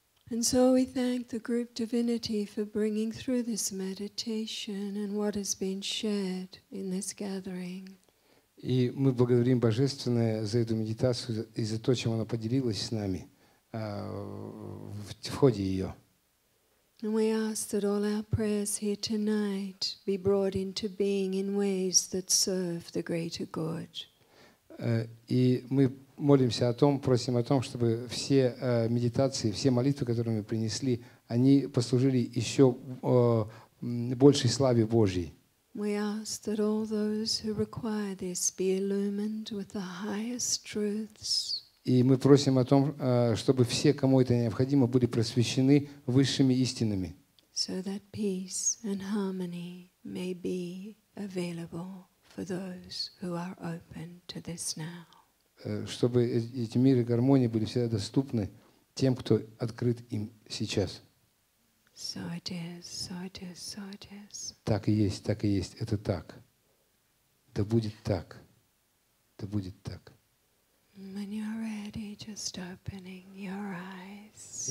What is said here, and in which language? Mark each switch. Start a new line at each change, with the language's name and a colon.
English: And so we thank the group Divinity for bringing through this meditation and what has been shared in this gathering.
Russian: И мы благодарим Божественное за эту медитацию и за то, чем она поделилась с нами в ходе ее.
English: And we ask that all our prayers here tonight be brought into being in ways that serve the greater good.
Russian: И мы молимся о том, просим о том, чтобы все медитации, все молитвы, которые мы принесли, они послужили еще большей славе Божьей. И мы просим о том, чтобы все, кому это необходимо, были просвещены высшими истинами.
English: So that peace and harmony may be available for those who are open to this now.
Russian: Чтобы эти миры гармонии были всегда доступны тем, кто открыт им сейчас.
English: So it is, so it is, so it is.
Russian: Так и есть, так и есть. Это так. Да будет так. Да будет так.
English: When you're ready, just opening your eyes.